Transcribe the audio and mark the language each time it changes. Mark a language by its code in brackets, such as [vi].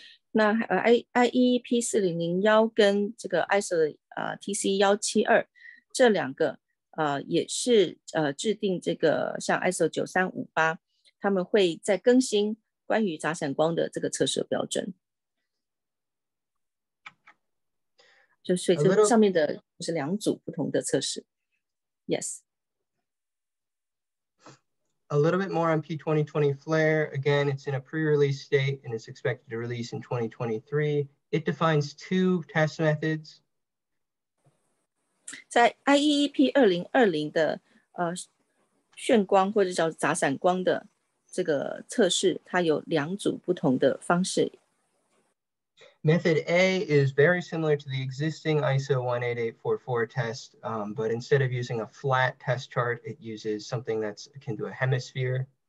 [zh] 那 IEEP 4001 跟这个 ISO TC 172 这两个也是制定这个像 ISO 9358 他们会在更新关于杂闪光的这个测试标准。就所以这上面的是两组不同的测试。Yes. [en] A little bit more on P2020 flare. Again, it's in a pre-release state and it's expected to release in 2023. It defines two test methods. [zh] 在 IEEP 2020的炫光或者叫杂闪光的这个测试，它有两组不同的方式。 [en] Method A is very similar to the existing ISO 18844 test, but instead of using a flat test chart, it uses something that's akin to a hemisphere.